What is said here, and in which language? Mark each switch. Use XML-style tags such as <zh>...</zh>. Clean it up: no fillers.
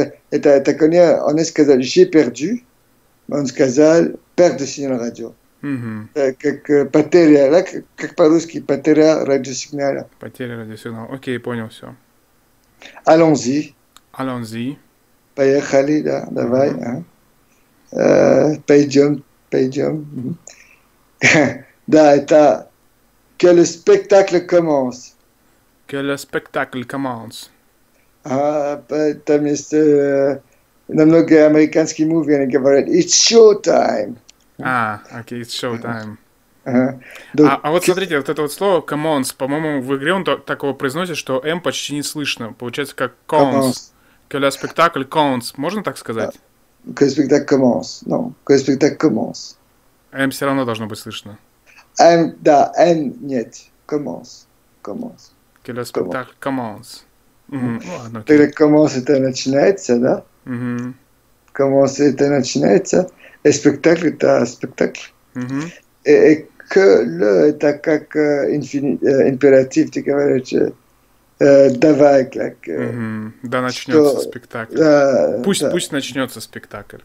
<ru>Это он сказал,</ru> <fr>j'ai perdu,</fr> <ru>он сказал,</ru> <fr>perdre signal radio.</fr> <ru>Как потеря, да? Как по-русски, потеря радиосигнала. Потеря радиосигнала, окей, понял, все.</ru> <fr>Allons-y. Allons-y.</fr> <ru>Поехали, да, давай. Пойдем. Да, это...</ru> <fr>Que le spectacle commence. Que le spectacle commence.</fr> <ru>Там есть намного американских мувий, они говорят,</ru> <en>it's showtime.</en> <ru>А, окей,</ru> <en>okay, it's showtime.</en> <ru>Вот смотрите, вот это вот слово commons, по-моему, в игре он такого произносит, что M почти не слышно. Получается, как cons.</ru> <fr>Que le spectacle commence,</fr> <ru>можно так сказать?</ru> <fr>Que le spectacle commence, no. Que le spectacle commence.</fr> <ru>M все равно должно быть слышно. M, да, N, нет, commence.</ru> <fr>Que le spectacle commence.</fr> <ru>Тогда commence это начинается, да? Commence это начинается.</ru> <fr>Et spectacle, c'est un spectacle. Et que le, c'est un</fr> <ru>как</ru> <fr>impératif, tu sais, avec</fr> <ru>давай, как. Да, начнется что, спектакль. Да, пусть, да. Пусть начнется спектакль.</ru>